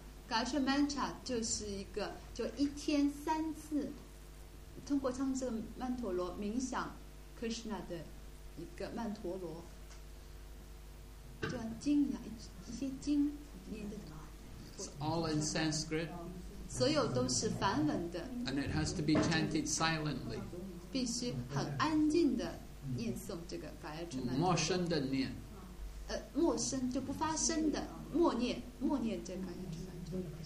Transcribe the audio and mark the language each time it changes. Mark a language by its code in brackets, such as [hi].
[zh] Gayatri Mantra 就是一个就一天三次通过唱这个曼陀罗冥想 Krishna 的一个曼陀罗，就像经一样，一些经念的。 [en] It's all in Sanskrit. [zh] 所有都是梵文的。 [en] And it has to be chanted silently. [zh] 必须很安静的念诵这个 Gayatri Mantra。默声的念。默声就不发声的默念，默念这个 Gayatri Mantra。